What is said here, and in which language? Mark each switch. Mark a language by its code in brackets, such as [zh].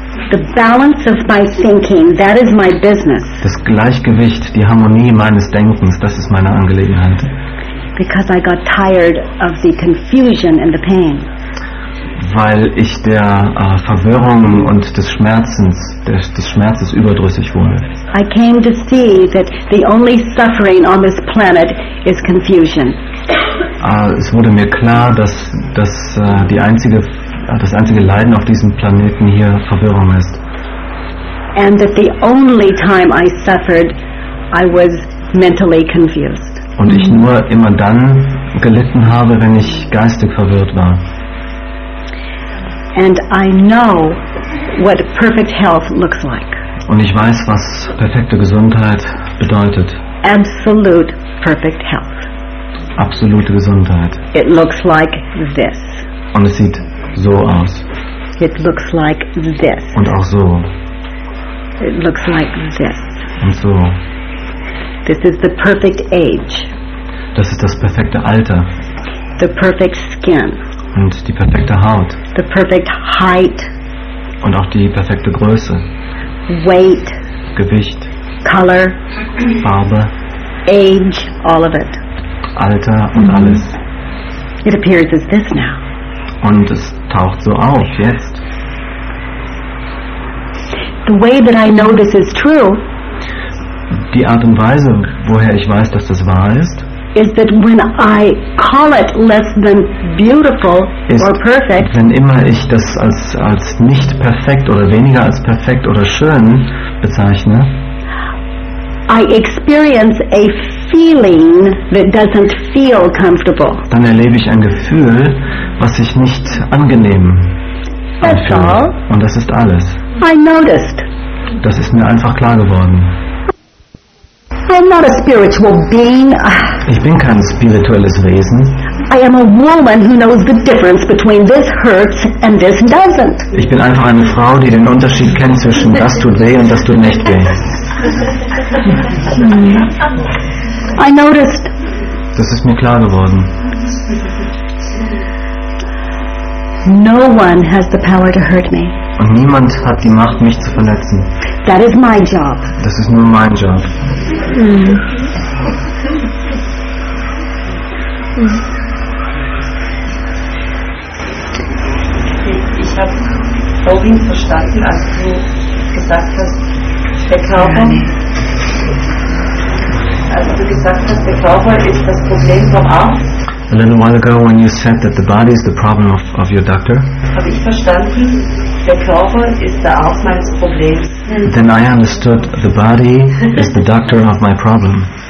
[en] The balance of my thinking, that is my business. [de] Das Gleichgewicht, die Harmonie meines Denkens, das ist meine Angelegenheit. [en] Because I got tired of the confusion and the pain. [de] Weil ich der Verwirrung und des Schmerzes überdrüssig wurde. [en] I came to see that the only suffering on this planet is confusion. [de] Es wurde mir klar, dass das einzige Leiden auf diesem Planeten hier Verwirrung ist. [en] And that the only time I suffered, I was mentally confused. [de] Und ich nur immer dann gelitten habe, wenn ich geistig verwirrt war. [en] And I know what perfect health looks like. [de] Und ich weiß, was perfekte Gesundheit bedeutet. [en] Absolute perfect health. [de] Absolute Gesundheit. [en] It looks like this. [de] Und es sieht so aus. [en] It looks like this. [de] Und auch so. [en] It looks like this. [de] Und so. [en] This is the perfect age. [de] Das ist das perfekte Alter. [en] The perfect skin. [de] Und die perfekte Haut. [en] The perfect height. [de] Und auch die perfekte Größe. [en] Weight. [de] Gewicht. [en] Color. [de] Farbe. [en] Age, all of it. [de] Alter und alles. [en] It appears as this now. [de] Und es taucht so auf jetzt. [en] The way that I know this is true. [de] Die Art und Weise, woher ich weiß, dass das wahr ist. [en] Is that when I call it less than beautiful or perfect? [de] Wenn immer ich das als nicht perfekt oder weniger als perfekt oder schön bezeichne. [en] I experience a feeling that doesn't feel comfortable. [de] Dann erlebe ich ein Gefühl, was sich nicht angenehm anfühlt. [en] That's all. [de] Und das ist alles. [en] I noticed. [de] Das ist mir einfach klar geworden. [en] I'm not a spiritual being. [de] Ich bin kein spirituelles Wesen. [en] I am a woman who knows the difference between this hurts and this doesn't. [de] Ich bin einfach eine Frau, die den Unterschied kennt zwischen das tut weh und das tut nicht weh. [en] I noticed. [de] Das ist mir klar geworden. [en] No one has the power to hurt me. [de] Und niemand hat die Macht, mich zu verletzen. [en] That is my job. [de] Das ist nur mein Job. Mm. Ich habe vorhin verstanden, als du gesagt hast, der Körper. Als du gesagt hast, der Körper ist das Problem vom Arzt. [en] A little while ago, when you said that the body is the problem of your doctor, [de] habe ich verstanden, der Körper ist der Arzt meines Problems. [en] Then I understood the body is the doctor of my problem.